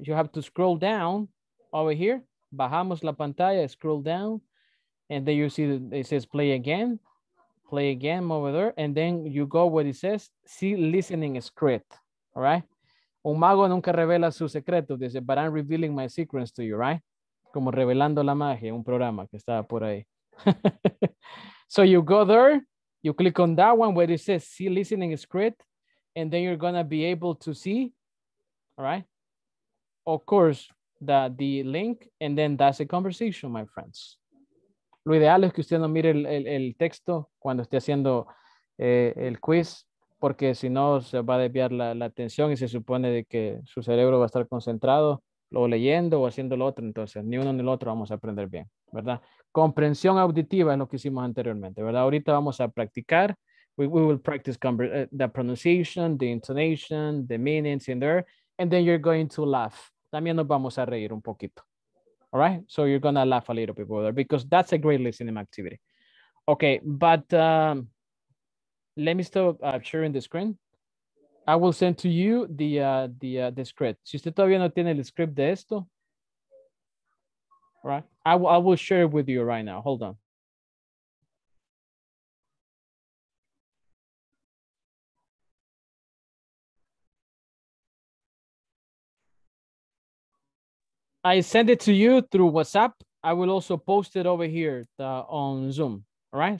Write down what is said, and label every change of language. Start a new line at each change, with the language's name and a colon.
English: You have to scroll down over here.
Spanish: Bajamos la pantalla,
English: scroll down. And then you see that it says play again over there. And then you go where it says, see listening script, all right?
Spanish: Un mago nunca revela su secreto, dice,
English: but I'm revealing my secrets to you, right?
Spanish: Como revelando la magia, un programa que estaba por ahí.
English: So you go there, you click on that one where it says, see listening script, and then you're gonna be able to see, all right? Of course, the link, and then that's a conversation, my friends.
Spanish: Lo ideal es que usted no mire el texto cuando esté haciendo el quiz, porque si no se va a desviar la atención y se supone de que su cerebro va a estar concentrado o leyendo o haciendo lo otro. Entonces, ni uno ni el otro vamos a aprender bien, ¿verdad? Comprensión auditiva es lo que hicimos anteriormente, ¿verdad? Ahorita vamos a practicar.
English: We will practice the pronunciation, the intonation, the meanings in there, and then you're going to laugh.
Spanish: También nos vamos a reír un poquito.
English: All right, so you're gonna laugh a little bit over there because that's a great listening activity. Okay, but let me stop sharing the screen. I will send to you the script.
Spanish: Si usted todavía no tiene el script de esto,
English: all right? I will share it with you right now. Hold on. I send it to you through WhatsApp. I will also post it over here on Zoom. All right?